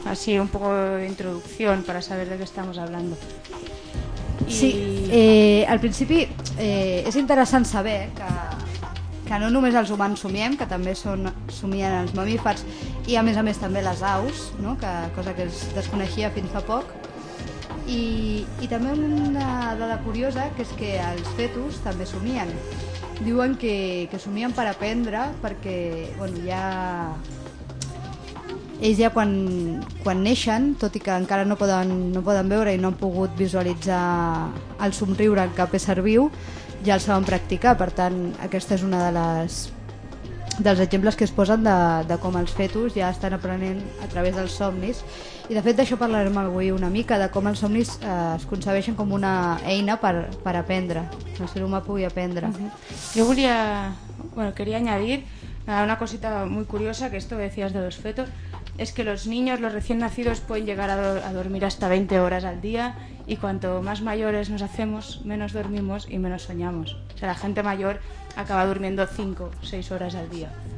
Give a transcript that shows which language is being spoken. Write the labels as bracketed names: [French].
[Spanish] Así un poco de introducción para saber de qué estamos hablando. [Catalan] Sí, al principi és interessant saber que no només els humans somiem, que també somien els mamífers i a més també les aus, no? Cosa que es desconeixia fins fa poc. I també una dada curiosa, que és que els fetus també somien. Diuen que somien per aprendre, perquè bueno, ells ja quan neixen, tot i que encara no poden veure i no han pogut visualitzar el somriure en cap ésser viu, ja el saben practicar. Per tant, aquesta és una de dels exemples que es posen de com els fetus ja estan aprenent a través dels somnis. I de fet d'això parlarem avui una mica, de com els somnis es concebeixen com una eina per aprendre, que el ser humà pugui aprendre. Jo volia, [Spanish] bueno, quería añadir una cosita muy curiosa, que esto decías de los fetos, es que los niños, los recién nacidos, pueden llegar a dormir hasta 20 horas al día, y cuanto más mayores nos hacemos, menos dormimos y menos soñamos. O sea, la gente mayor acaba durmiendo 5, 6 horas al día.